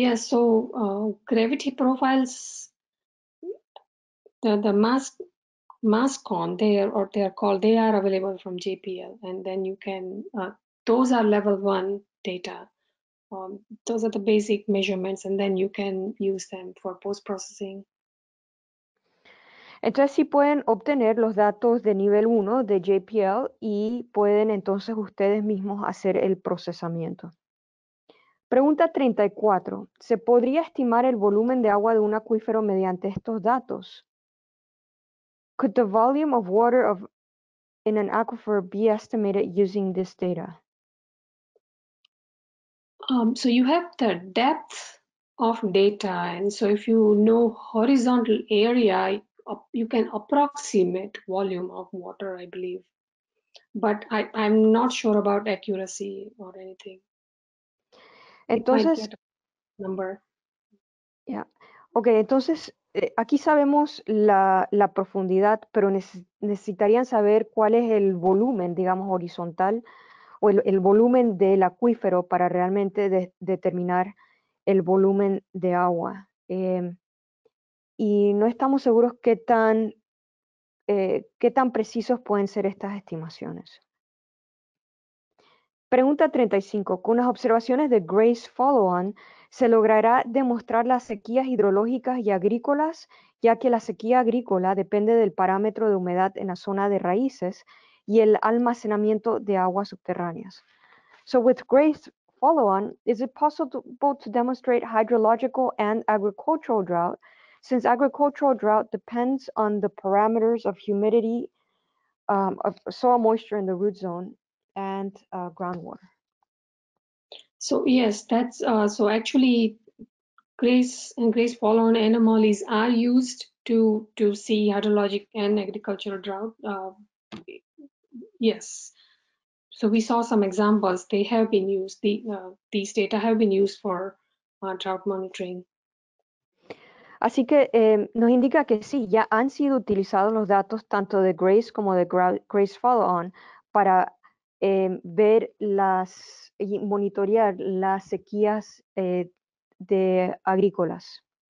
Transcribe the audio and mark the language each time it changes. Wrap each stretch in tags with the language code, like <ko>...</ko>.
<en>Gravity profiles, the mass con there, or they are called, they are available from JPL, and then you can, those are level 1 data. Those are the basic measurements, and then you can use them for post-processing.</en> <es>Entonces, sí pueden obtener los datos de nivel 1 de JPL y pueden entonces ustedes mismos hacer el procesamiento. Pregunta 34. ¿Se podría estimar el volumen de agua de un acuífero mediante estos datos?</es> <en>Could the volume of water of in an aquifer be estimated using this data? So you have the depth of data, and so if you know horizontal area, you can approximate volume of water, I believe. But I'm not sure about accuracy or anything.</en> <es>Entonces,</es> <en>number. Yeah.</en> <es>Okay, entonces aquí sabemos la profundidad, pero necesitarían saber cuál es el volumen, digamos, horizontal, o el volumen del acuífero para realmente determinar el volumen de agua. Y no estamos seguros qué tan precisos pueden ser estas estimaciones. Pregunta 35. ¿Con las observaciones de GRACE Follow-On se logrará demostrar las sequías hidrológicas y agrícolas, ya que la sequía agrícola depende del parámetro de humedad en la zona de raíces y el almacenamiento de aguas subterráneas?</es> <en>So with GRACE Follow-On, is it possible to demonstrate hydrological and agricultural drought, since agricultural drought depends on the parameters of humidity, of soil moisture in the root zone, and groundwater? So yes, that's so actually GRACE and GRACE Follow-On anomalies are used to see hydrologic and agricultural drought. Yes, so we saw some examples. They have been used. These data have been used for drought monitoring.</en> <es>Así que nos indica que sí, ya han sido utilizados los datos tanto de GRACE como de GRACE Follow-On para ver las y monitorear las sequías de agrícolas.</es>